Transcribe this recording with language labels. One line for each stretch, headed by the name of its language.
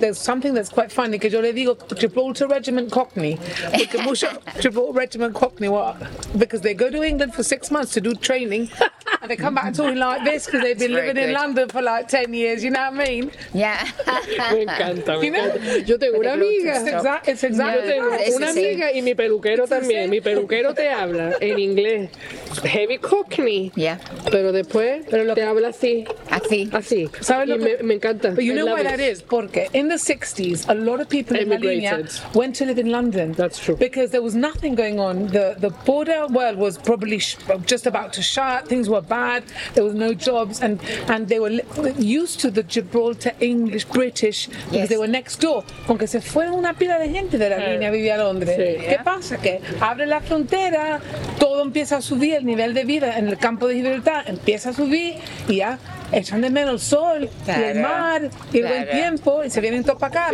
English: There's something that's quite funny because
Spanish: yo le digo
English: Gibraltar Regiment Cockney. Gibraltar Regiment Cockney, what? Because they go to England for 6 months to do training and they come back talking like this because they've been living in London for like 10 years, you know what I mean? Yeah.
Spanish: Me encanta, me encanta. Yo tengo una amiga.
English: It's exactly.
Spanish: Yo tengo una amiga y mi peluquero también. Mi peluquero te habla en inglés.
English: Heavy Cockney. Yeah.
Spanish: Pero después te habla así. Así. Así. ¿Sabes lo que? Me encanta.
English: But you know why that is?
Spanish: Porque
English: in the 60s, a lot of people in Malinia went to live in London. That's true. Because there was nothing going on. The border world was probably just about to shut. Things were bad. There was no jobs. And they were used to the Gibraltar English, British, because yes, they were next door.
Spanish: Aunque se fue una pila de gente de la línea vivía a Londres. Sí. ¿Qué pasa? Que abre la frontera, todo empieza a subir, el nivel de vida en el campo de Gibraltar empieza a subir y ya echan de menos el sol, claro, y el mar, y el buen tiempo, y se vienen todos para acá.